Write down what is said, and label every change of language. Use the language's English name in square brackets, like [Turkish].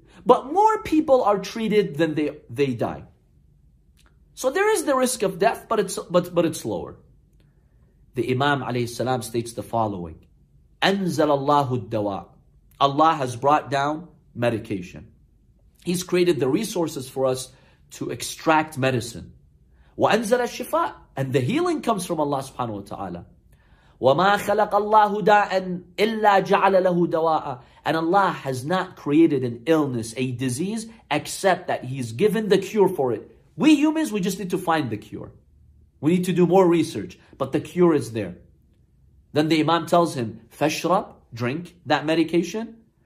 [English] But more people are treated than they die. So there is the risk of death, but it's lower. The Imam alayhi salam states the following: [Arabic] أنزل الله الدواء. [English] Allah has brought down medication. He's created the resources for us to extract medicine. [Arabic] وأنزل الشفاء. [English] And the healing comes from Allah subhanahu wa ta'ala. [Arabic] وما خلق الله داء إلا جعل له دواء. [English] And Allah has not created an illness, a disease, except that He's given the cure for it. We humans, we just need to find the cure. We need to do more research, but the cure is there. Then the Imam tells him, [Arabic] فشرب, [English] drink that medication.